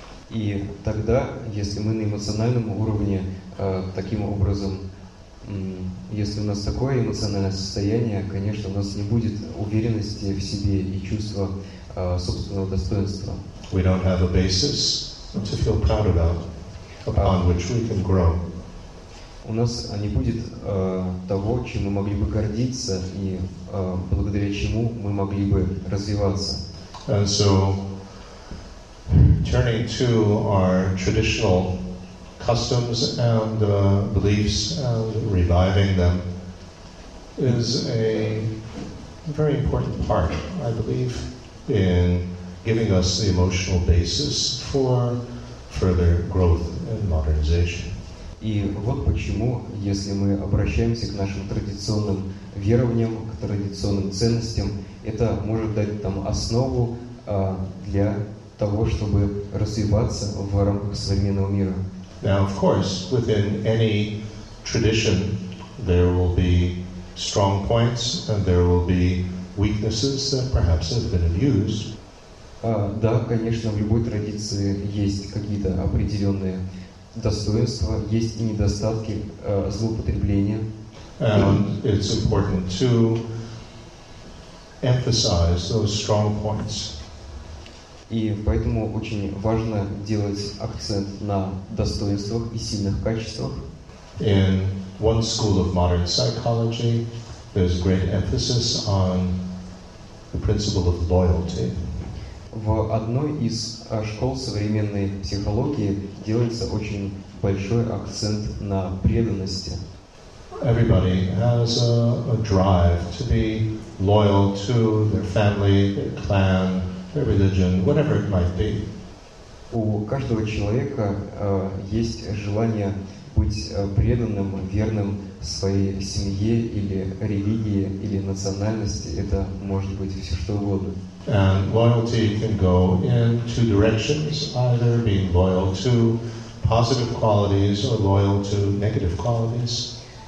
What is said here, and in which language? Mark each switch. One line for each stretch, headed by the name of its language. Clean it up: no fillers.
Russian: И тогда, если мы на эмоциональном уровне таким образом, если у нас такое эмоциональное состояние, конечно, у нас не будет уверенности в себе и чувства собственного достоинства.
English: We don't have a basis to feel proud about, upon which we can grow.
Russian: У нас не будет того, чем мы могли бы гордиться и благодаря чему мы могли бы развиваться.
English: And so, turning to our traditional customs and beliefs and reviving them is a very important part, I believe, in giving us the emotional basis for further growth and modernization.
Russian: И вот почему, если мы обращаемся к нашим традиционным верованиям, к традиционным ценностям, это может дать нам основу для того, чтобы развиваться в рамках современного мира.
English: Now, of course, within any tradition, there will be strong points and there will be weaknesses that perhaps have been abused.
Russian: Да, конечно, в любой традиции есть какие-то определенные достоинства, есть и недостатки, злоупотребления.
English: And it's important to emphasize those strong points.
Russian: И поэтому очень важно делать акцент на достоинствах и сильных качествах.
English: In one school of modern psychology, there's great emphasis on the principle of loyalty.
Russian: В одной из школ современной психологии делается очень большой акцент на преданности.
English: Everybody has a drive to be loyal to their family, their clan, their religion, whatever it might be.
Russian: У каждого человека есть желание быть преданным, верным своей семье или религии или национальности. Это может быть все что угодно.
English: And loyalty can go in two directions, either being loyal to positive qualities or loyal to negative qualities.